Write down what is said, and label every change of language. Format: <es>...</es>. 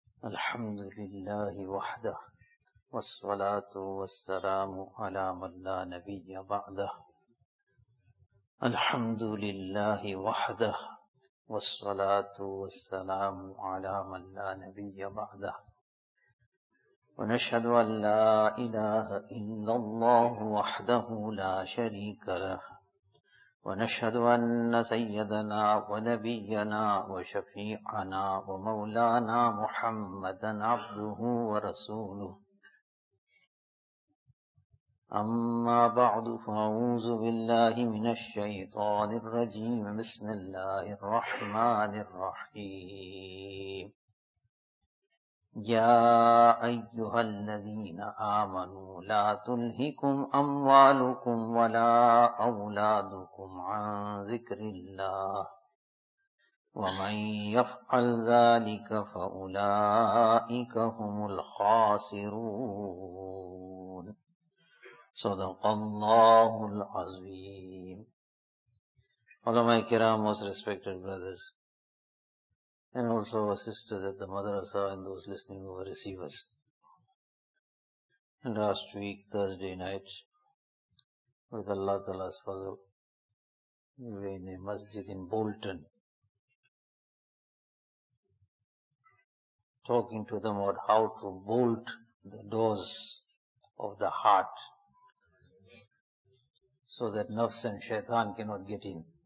<ar>الحمد للہ وحدہ والصلاة والسلام علی من لا نبی بعدہ. الحمد للہ وحدہ والصلاة والسلام علی من لا نبی بعدہ. ونشهد أن لا إله إلا الله وحده لا شريك له، ونشهد أن سيدنا ونبينا وشفيعنا ومولانا محمدًا عبده ورسوله. أما بعد، فأعوذ بالله من الشيطان الرجيم، بسم الله الرحمن الرحيم. يا أيها الذين آمنوا لا تلهكم أموالكم ولا أولادكم عن ذكر الله، ومن يفعل ذلك فأولئك هم الخاسرون. صدق الله العظيم. علماء الكرام،</ar> <en>most respected brothers and also our sisters at the madrasa and those listening over receivers. Last week, Thursday night, with Allah Ta'ala's fazl, we were in a masjid in Bolton, talking to them about how to bolt the doors of the heart so that nafs and shaitan cannot get in.</en>